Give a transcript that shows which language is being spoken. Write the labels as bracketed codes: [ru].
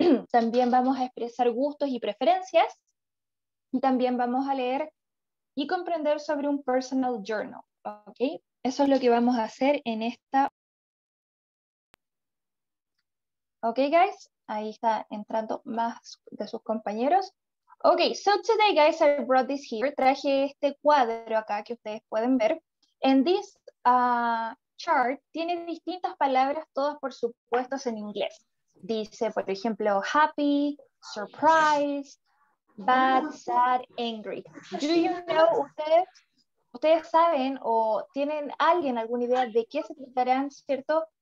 [es] También vamos a expresar gustos y preferencias. Y también vamos a leer y comprender sobre un personal journal, ¿ok? Eso es lo que vamos a hacer en esta. Ok, guys, ahí está entrando más de sus compañeros. [en] Ok, so today, guys, I brought this here. [es] Traje este cuadro acá que ustedes pueden ver. [en] And this chart [es] tiene distintas palabras, todas, por supuesto, en inglés. Dice, por ejemplo, happy, surprise, bad, sad, angry. [en] Do you know, [es] ustedes saben o tienen alguien alguna idea de qué se tratarán, ¿cierto?